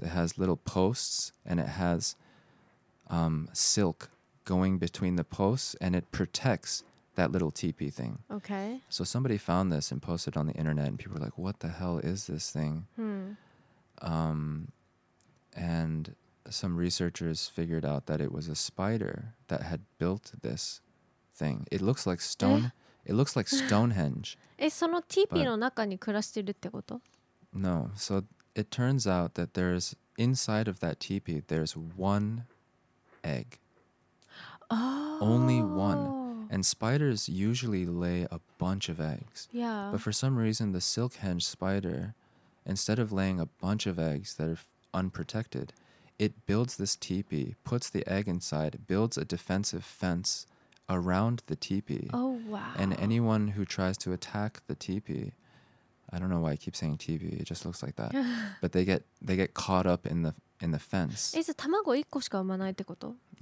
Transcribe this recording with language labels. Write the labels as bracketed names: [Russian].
[English] It has little posts and it has silk going between the posts and it protects that little teepee thing. Okay. So somebody found this and posted it on the internet and people were like, what the hell is this thing? Hmm. And some researchers figured out that it was a spider that had built this thing. It looks like stone. It looks like Stonehenge. [Japanese] え、そのテーピーの中に暮らしてるってこと? [English] No, so it turns out that there's inside of that teepee, there's one egg. Oh. Only one. And spiders usually lay a bunch of eggs. Yeah. But for some reason, the silk henge spider, instead of laying a bunch of eggs that are unprotected, it builds this teepee, puts the egg inside, builds a defensive fence around the teepee. Oh, wow. And anyone who tries to attack the teepee... I don't know why I keep saying TV. It just looks like that. But they get caught up in the fence. [Japanese] え、じゃあ卵1個しか産まないってこと?